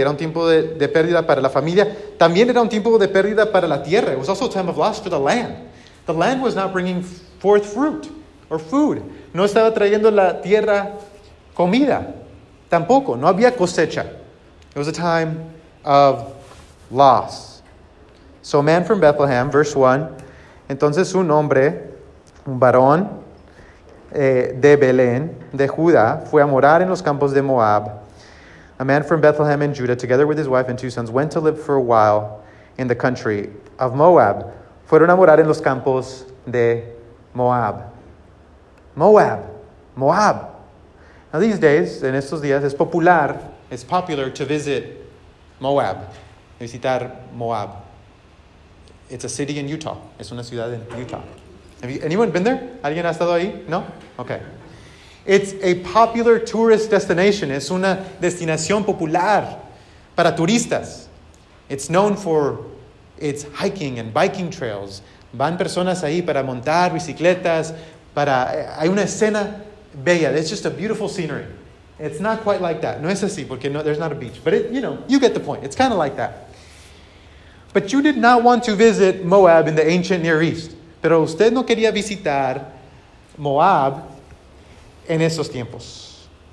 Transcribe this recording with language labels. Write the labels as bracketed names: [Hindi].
[Spanish] Era un tiempo de pérdida para la familia. También era un tiempo de pérdida para la tierra. [English] It was also a time of loss for the land. The land was not bringing forth fruit or food. [Spanish] No estaba trayendo la tierra comida. Tampoco. No había cosecha. [English] It was a time of loss. So a man from Bethlehem, verse 1. [Spanish] Entonces un hombre, un varón de Belén, de Judá, fue a morar en los campos de Moab. [English] A man from Bethlehem in Judah, together with his wife and two sons, went to live for a while in the country of Moab. [Spanish] Fueron a morar en los campos de Moab. [English] Moab. Moab. Now these days, [Spanish] en estos días, [English] it's popular to visit Moab. [Spanish] Visitar Moab. [English] It's a city in Utah. [Spanish] Es una ciudad en Utah. [English] Anyone been there? [Spanish] ¿Alguien ha estado ahí? No? Okay. [English] It's a popular tourist destination. [Spanish] Es una destinación popular para turistas. [English] It's known for its hiking and biking trails. [Spanish] Van personas ahí para montar bicicletas. Hay una escena bella. [English] It's just a beautiful scenery. It's not quite like that. [Spanish] No es así, porque no, [English] there's not a beach. But, you get the point. It's kind of like that. But you did not want to visit Moab in the ancient Near East. [Spanish] Pero usted no quería visitar Moab en esos tiempos.